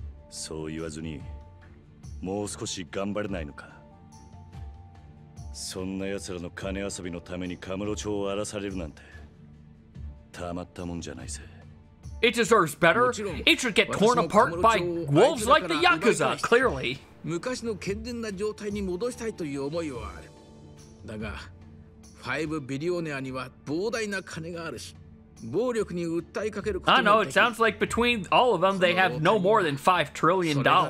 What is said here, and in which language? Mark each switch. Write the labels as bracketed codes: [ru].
[ja] そう言わずにもう少し頑張れないのか。そんな奴らの金遊びのためにカムロ町を荒らされるなんてたまったもんじゃないぜ。 [en] It deserves better. It should get torn apart by wolves like the Yakuza, clearly. [ja] 昔の健全な状態に戻したいという思いはある。だがファイブビリオネアには膨大な金があるし、 [en] I know, it sounds like between all of them, they have no more than $5 trillion.